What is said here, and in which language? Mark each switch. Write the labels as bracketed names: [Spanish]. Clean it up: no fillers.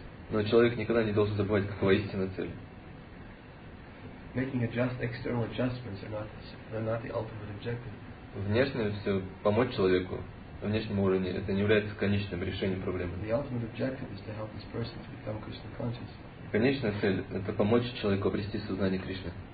[Russian] Но человек никогда не должен забывать, какова истинная цель. [English] Making adjust external adjustments are not, they're not the ultimate objective. [Russian] Внешне все помочь человеку на внешнем уровне, это не является конечным решением проблемы. [English] The ultimate objective is to help this person to become Krishna conscious. [Russian] Конечная цель — это помочь человеку обрести сознание Кришны.